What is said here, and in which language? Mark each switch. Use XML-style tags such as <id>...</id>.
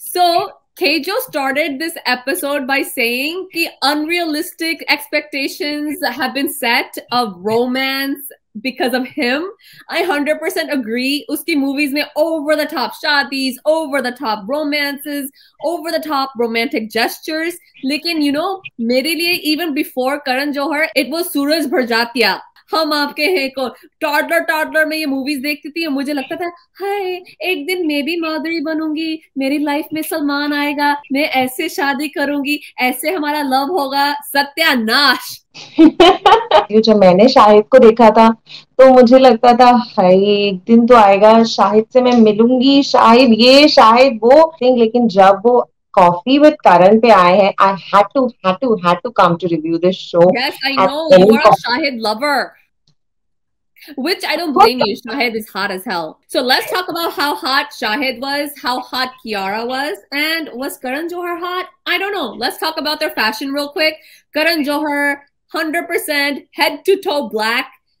<en>So Kejo started this episode by saying</en> <hi>ki</hi> <en>unrealistic expectations have been set of romance because of him. I 100% agree.</en> <hi>Uski movies mein</hi> <en>over the top shaadis, over the top romances, over the top romantic gestures.</en> <hi>Lekin,</hi> <en>you know,</en> <hi>mere liye</hi> <en>even before Karan Johar, it was Suraj Bharjatia.</en> <hi>हम आपके हैं कौन toddler में ये movies देखती थी और मुझे लगता था हाय एक दिन मैं भी माधुरी बनूंगी मेरी लाइफ में सलमान आएगा मैं ऐसे शादी करूंगी ऐसे हमारा लव होगा सत्यानाश जब मैंने शाहिद को देखा था तो मुझे लगता था हाय एक दिन तो आएगा शाहिद से मैं मिलूंगी शाहिद ये शाहिद वो लेकिन जब वो Coffee with Karan pe aaye hain.</hi> <en>I had to come to review this show. Yes, I know. You are a Shahid lover. Which I don't blame you. Shahid is hot as hell. So let's talk about how hot Shahid was, how hot Kiara was, and was Karan Johar hot? I don't know. Let's talk about their fashion real quick. Karan Johar, 100% head to toe black.</en>